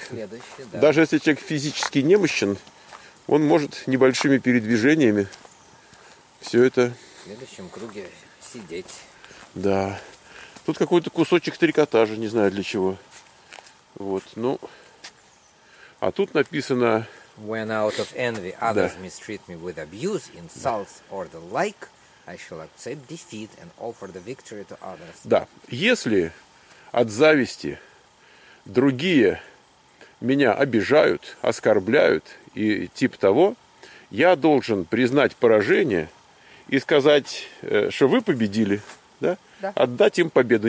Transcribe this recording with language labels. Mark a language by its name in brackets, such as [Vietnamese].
[Russian] следующий, да. Даже если человек физически немощен, он может небольшими передвижениями все это... В следующем круге сидеть. Да. Тут какой-то кусочек трикотажа, не знаю для чего. Вот, ну... А тут написано... [English] When out of envy others, да, mistreat me with abuse, insults, да, or the like, I shall accept defeat and offer the victory to others. [Russian] Да, если от зависти другие меня обижают, оскорбляют и типа того, я должен признать поражение и сказать, что вы победили, да? Да. Отдать им победу.